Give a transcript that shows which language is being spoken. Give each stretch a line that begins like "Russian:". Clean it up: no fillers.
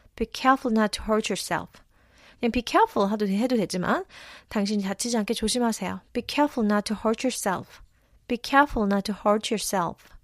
English: Be careful not to hurt yourself.
Korean: 그냥
English: be careful
Korean: 해도 되지만 당신이 다치지 않게 조심하세요.
English: Be careful not to hurt yourself. Be careful not to hurt yourself.